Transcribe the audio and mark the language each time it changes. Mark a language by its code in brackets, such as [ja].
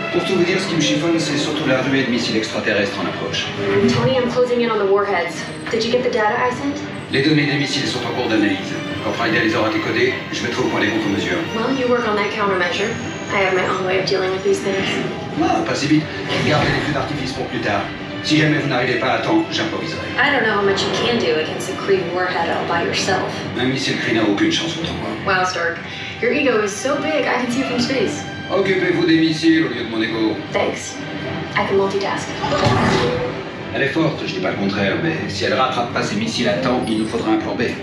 [fr] Pour tout vous dire, ce qui me chiffonne, c'est surtout la ruée de missiles extraterrestres en approche. [en] Tony, I'm closing in on the warheads. Did you get the data I sent? [fr] Les données des missiles sont en cours d'analyse. Quand Friday les aura décodées, je mettrai au point les contre-mesures. [en] Well, you work on that countermeasure. I have my own way of dealing with these things. [fr] Ah, pas si vite. Gardez les feux d'artifice pour plus tard. Si jamais vous n'arrivez pas à temps, j'improviserai. [en] I don't know how much you can do against a Kree warhead all by yourself. [fr] Un missile Kree n'a aucune chance contre moi. [en] Wow, Stark. Your ego is so big, I can see you from space. [fr] Occupez-vous des missiles au lieu de mon ego. [en] Thanks. I can multitask. [fr] Elle est forte, je dis pas le contraire, mais si elle rattrape pas ses missiles à temps, il nous faudra un plan B.